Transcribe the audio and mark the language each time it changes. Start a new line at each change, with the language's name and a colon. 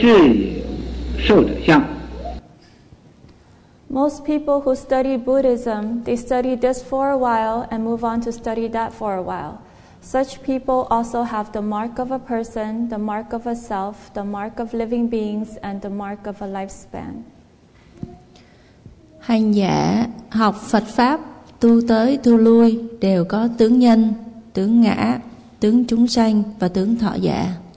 Chinese: 也是有我相，也是有众生相，也是有寿者相。
English: Most people who study Buddhism, they study this for a while and move on to study that for a while. Such people also have the mark of a person, the mark of a self, the mark of living beings, and the mark of a lifespan.
Vietnamese: Hành giả học Phật pháp, tu tới tu lui đều có tướng nhân, tướng ngã, tướng chúng sanh và tướng thọ giả.